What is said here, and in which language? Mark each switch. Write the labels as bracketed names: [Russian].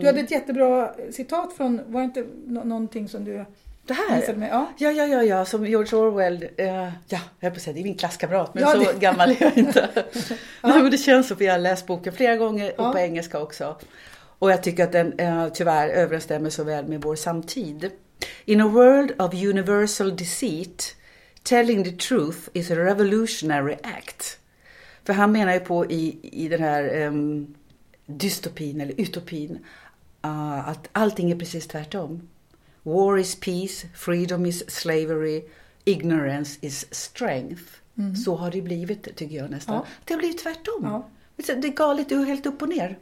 [Swedish] Du hade ett jättebra citat från, var det inte någonting som du det här? Visade med? Ja, som George Orwell, jag höll på att säga, det är min klasskamrat, men ja, så gammal är jag inte. Nej, men det känns som att jag har läst boken flera gånger och på engelska också. Och jag tycker att den tyvärr överensstämmer så väl med vår samtid. [English] In a world of universal deceit, telling the truth is a revolutionary act. [Swedish] För han menar ju på i den här dystopin eller utopin att allting är precis tvärtom. [English] War is peace, freedom is slavery, ignorance is strength. Mm. [Swedish] Så har det blivit tycker jag nästan. Ja. Det har blivit tvärtom. Ja. Det är galet, du är helt upp och ner.